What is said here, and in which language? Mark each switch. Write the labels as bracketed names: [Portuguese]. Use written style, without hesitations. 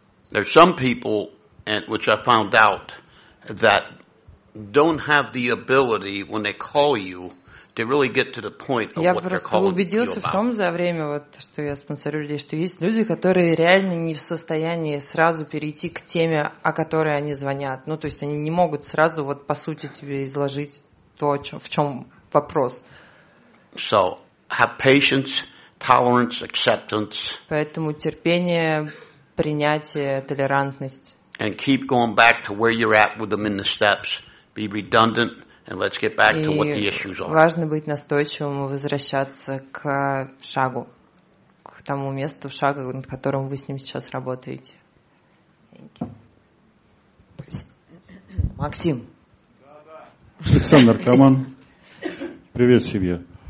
[English] There's some people, and which I found out, that don't have the ability when they call you to really get to the point of what they're calling you about. [Russian] Я просто убедился в том за время, вот, что я спонсорю людей, что есть люди, которые реально не в состоянии сразу перейти к теме, о которой они звонят. Ну, то есть они не могут сразу вот по сути тебе изложить то, в чем вопрос. [English] So have patience, tolerance, acceptance. [Russian] Поэтому терпение, принятие, толерантность. [English] And keep going back to where you're at with them in the steps. Be redundant and let's get back to what the issues are. [Russian] Важно быть настойчивым и возвращаться к шагу, к тому месту шага, над которым вы с ним сейчас работаете. Максим. Да. Александр Каман. Привет, семья.